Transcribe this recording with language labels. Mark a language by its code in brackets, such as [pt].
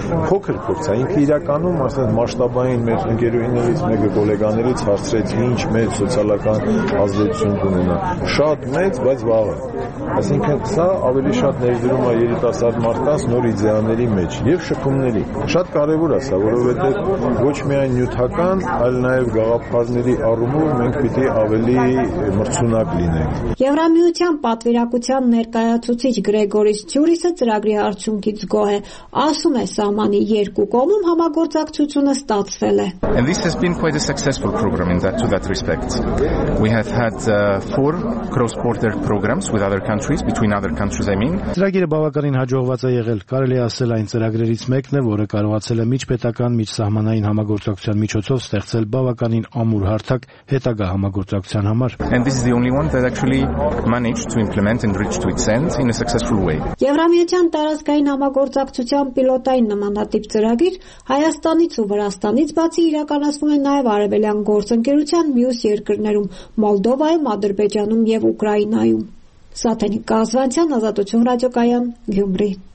[hy] փոքր փորձ է, ինքը իրականում ասենք մասշտաբային մեր ընկերուհիներից մեկը գոլեգաներից հարցրեց ինչ մեծ սոցիալական ազդեցություն ունենա։ Շատ մեծ, բայց վաղը, ասենքա սա ավելի շատ ներդրում է երիտասարդ մարդկանց նոր իդեաների մեջ եւ շփումների։ Շատ կարեւոր է սա, որովհետեւ ոչ միայն նյութական, այլ նաեւ գաղափարների առումով մենք պիտի ավելի մրցունակ լինենք։ Եվրամիության պատվիրակության ներկայացուցիչ Գրեգորիս Ցյուրիսը ծրագրի արդյունքից զգոհ է, ասում է սահմանի երկու կողմում համագործակցությունը ստացվել է։ [en] And this has been quite a successful program in that, to that respect. We have had four cross-border programs with other countries, between other countries I mean. [hy] Ծրագիրը բավականին հաջողված է եղել, կարելի ասել այն ծրագրերից մեկն է, որը կարողացել է միջպետական, միջսահմանային համագործակցության միջոցով ստեղծել բավականին ամուր հարթակ հետագա համագործակցության համար։ [en] And this is the only one that actually managed to implement and reach to its end in a successful way. [hy] Եվրամիության տարածքային համագործակցության պիլոտային նմանատիպ ծրագիր Հայաստանից ու Վրաստանից բացի իրականացվում է նաև արևելյան գործընկերության մյուս երկրներում՝ Մոլդովայում, Ադրբեջանում եւ Ուկրաինայում։ Սաթենի Կազվանցյան, Ազատություն ռադիոկայան, Գյումրի։